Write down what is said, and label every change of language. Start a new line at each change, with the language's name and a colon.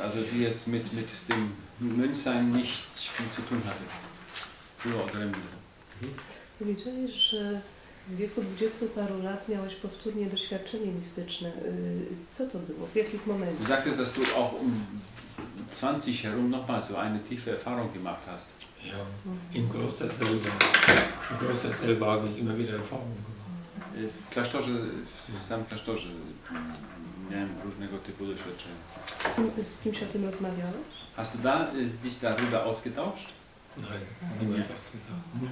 German: Also die jetzt mit dem Mönchsein nicht viel zu tun hatte.
Polish: Było odrębne. Powiedziałeś, że w wieku 20 paru lat miałeś powtórnie doświadczenie mistyczne. Co to było? W jakich momentach?
German: Sagt es, dass du auch 20 herum nochmal so eine tiefe Erfahrung gemacht hast. Ja, im Kloster selber. Im Kloster selber habe ich immer wieder Erfahrungen gemacht.
Polish: W klasztorze, w samym klasztorze miałem różnego typu doświadczenia. Z kimś o tym rozmawiałeś?
German: Hast du da dich darüber ausgetauscht? Nein, niemand was gesagt.